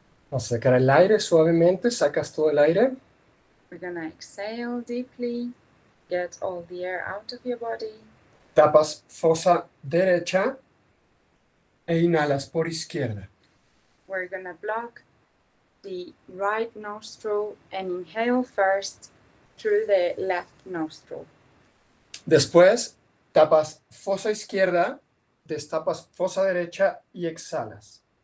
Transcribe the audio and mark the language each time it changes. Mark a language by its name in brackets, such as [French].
[Spanish] Vamos a sacar el aire suavemente, sacas todo el aire. [English] We're gonna exhale deeply, get all the air out of your body. [Spanish] Tapas fosa derecha e inhalas por izquierda. [English] We're gonna block the right nostril and inhale first through the left nostril. [Spanish] Después tapas fosa izquierda, destapas fosa derecha y exhalas.